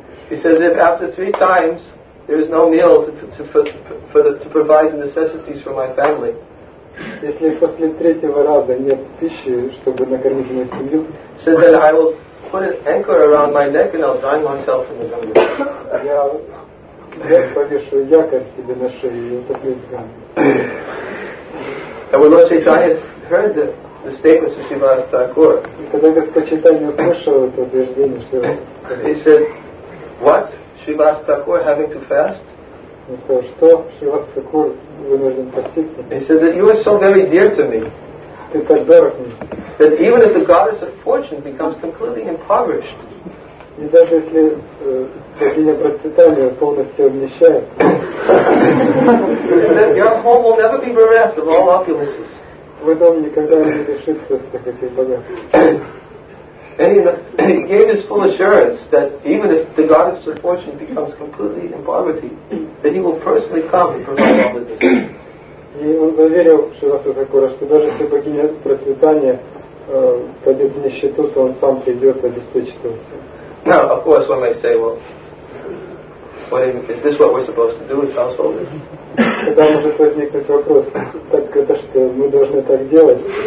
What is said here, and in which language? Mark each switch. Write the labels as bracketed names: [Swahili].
[English] He said that after three times, there is no meal to provide the necessities for my family. [Russian] Если после третьего раза нет пищи, чтобы накормить мою семью, [English] so then I will put an anchor around my neck and I'll drown myself in the Ganga. [Russian] Я повешу якорь себе на шею и утоплюсь в Ганге. [English] And when Lord Chaitanya heard the statements of Shrivastakura, [Russian] когда Господь Читания услышал это утверждение, [English] he said, what? Shrivastakura having to fast? [Russian] Он сказал, что Шривастакур вынужден поститься. [English] He said that you are so very dear to me. [Russian] Ты так дорог мне. [English] That even if the goddess of fortune becomes completely impoverished. [Russian] И даже если богиня процветания полностью обнищает. [English] He said that your home will never be bereft of all opulences. [Russian] Твой дом никогда не лишится всех этих богатств. [English] And he gave his full assurance that even if the goddess of fortune becomes completely in poverty, that he will personally come and provide all his necessities. [Russian] И он заверил Шривастакура, что даже если богиня процветания пойдет в нищету, то он сам придет и обеспечит его. [English] Now, of course, one might say, well, is this what we're supposed to do as householders? [Russian] Тогда может возникнуть вопрос, так это что, мы должны так делать?